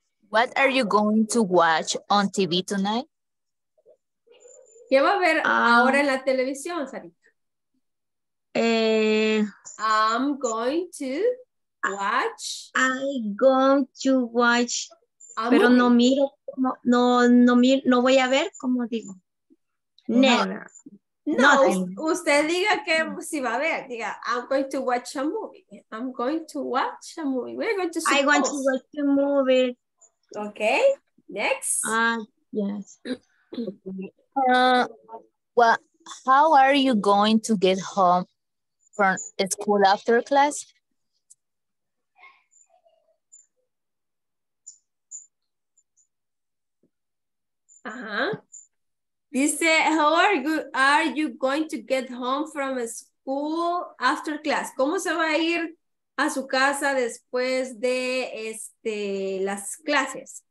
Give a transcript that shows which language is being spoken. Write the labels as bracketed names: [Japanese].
[English] What are you going to watch on TV tonight? [Spanish] ¿Qué va a ver ahora en la televisión, Sarita? [English] I'm going to watch. I'm going to watch. [Spanish] Pero no miro, no voy a ver, como digo. [English] Never. [Spanish] No, usted diga que si va a ver, diga, [English] I'm going to watch a movie. I'm going to watch a movie. We're going to suppose. I want to watch a movie. Okay, next. Yes. Well, how are you going to get home from school after class? Dice, how are you going to get home from school after class? [Spanish] ¿Cómo se va a ir a su casa después de las clases?